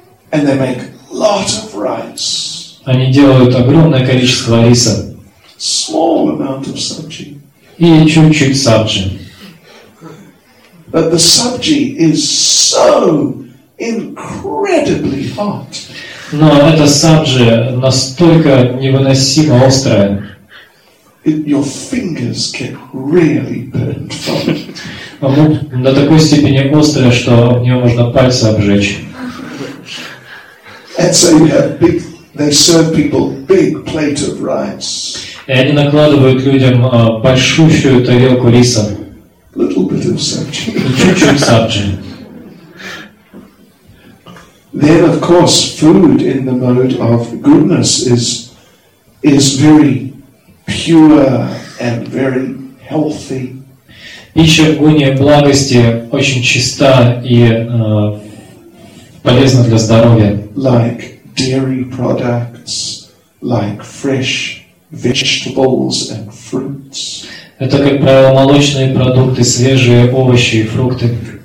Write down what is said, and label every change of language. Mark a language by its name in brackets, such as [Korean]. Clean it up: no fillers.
[English] And they make lot of rice. [Russian] Они делают огромное количество риса. [English] Small amount of sabji. [Russian] И чуть-чуть сабджи. [English] that the subject is so incredibly hot. [Russian] Но эта саджи настолько невыносимо острая. [English] Your fingers get really burnt from it. [Russian] Оно до такой степени острое, что в нее можно пальцы обжечь. [English] And so you have big, they serve people big plate of rice. [Russian] И они накладывают людям большущую тарелку риса. [English] Little bit of sabji. [Russian] Чуть-чуть сабжи. [English] Then, of course, food in the mode of goodness is very pure and very healthy. [Russian] Пища в гуне благости очень чиста и полезна для здоровья. [English] Like dairy products, like fresh vegetables and fruits. [Russian] Это, как правило, молочные продукты, свежие овощи и фрукты.